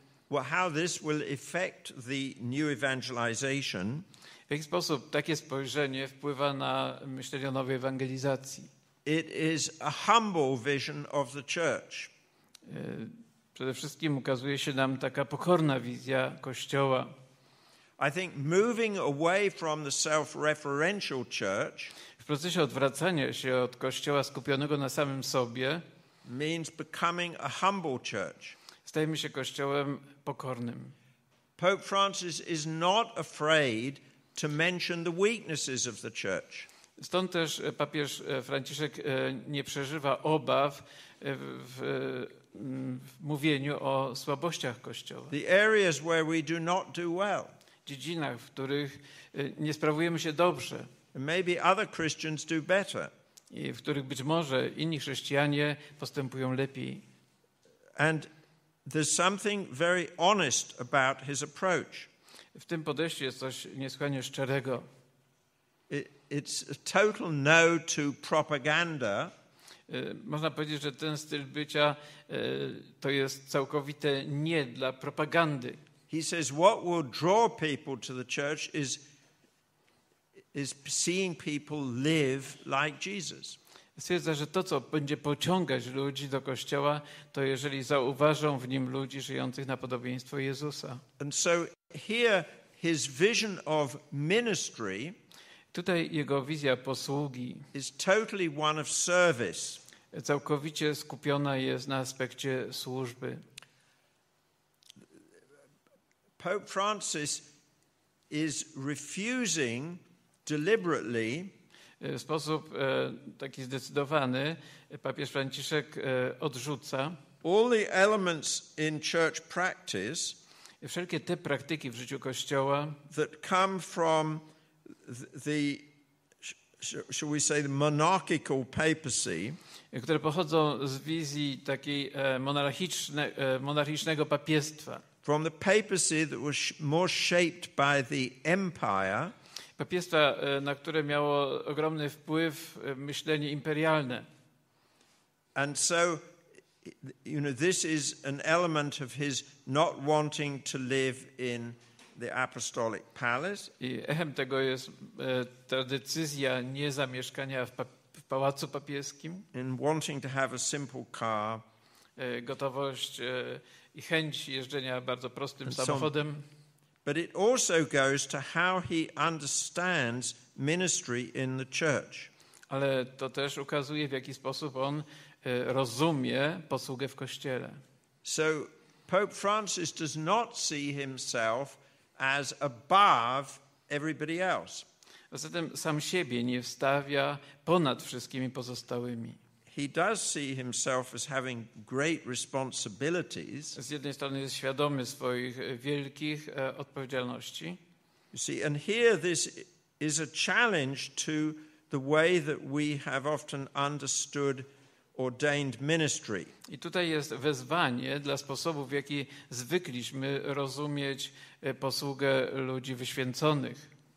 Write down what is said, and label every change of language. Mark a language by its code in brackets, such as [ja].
[en] Well, how this will affect the new evangelization. [pl] W jaki sposób takie spojrzenie wpływa na myślenie o nowej ewangelizacji? [en] It is a humble vision of the church. [pl] Przede wszystkim ukazuje się nam taka pokorna wizja Kościoła. [en] I think moving away from the self-referential church, [pl] w procesie odwracania się od Kościoła skupionego na samym sobie, [en] means becoming a humble church. [pl] Stajemy się Kościołem pokornym. [en] Pope Francis is not afraid to mention the weaknesses of the church. [pl] Stąd też papież Franciszek nie przeżywa obaw w mówieniu o słabościach Kościoła. [en] The areas where we do not do well. [pl] Dziedzinach, w których nie sprawujemy się dobrze. [en] Maybe other Christians do better. [pl] I w których być może inni chrześcijanie postępują lepiej. [en] And there's something very honest about his approach. [pl] W tym podejściu jest coś niesłychanie szczerego. [en] It's a total no to propaganda. [pl] Można powiedzieć, że ten styl bycia to jest całkowite nie dla propagandy. [en] He says what will draw people to the church is seeing people live like Jesus. [pl] Stwierdza, że to, co będzie pociągać ludzi do Kościoła, to jeżeli zauważą w nim ludzi żyjących na podobieństwo Jezusa. [en] And so here his vision of ministry, [pl] tutaj jego wizja posługi, [en] is totally one of service. [pl] Całkowicie skupiona jest na aspekcie służby. [en] Pope Francis is refusing deliberately. [pl] W sposób taki zdecydowany papież Franciszek odrzuca [en] all the elements in church practice, [pl] wszelkie te praktyki w życiu Kościoła, [en] that come from the, shall we say, the monarchical papacy, [pl] które pochodzą z wizji takiej monarchicznego papiestwa, [en] from the papacy that was more shaped by the empire, [pl] papiestwa, na które miało ogromny wpływ myślenie imperialne. [en] And so, you know, this is an element of his not wanting to live in the apostolic palace. [pl] I echem tego jest ta decyzja niezamieszkania w pałacu papieskim. [en] In wanting to have a simple car. [pl] Gotowość i chęć jeżdżenia bardzo prostym samochodem. [en] But it also goes to how he understands ministry in the church. [pl] Ale to też ukazuje, w jaki sposób on rozumie posługę w Kościele. [en] So Pope Francis does not see himself as above everybody else. [pl] Zatem sam siebie nie wstawia ponad wszystkimi pozostałymi. [en] He does see himself as having great responsibilities. [pl] Z jednej strony jest świadomy swoich wielkich odpowiedzialności. [en] You see, and here this is a challenge to the way that we have often understood ordained ministry. [pl] I tutaj jest wezwanie dla sposobu, w jaki zwykliśmy rozumieć posługę ludzi wyświęconych.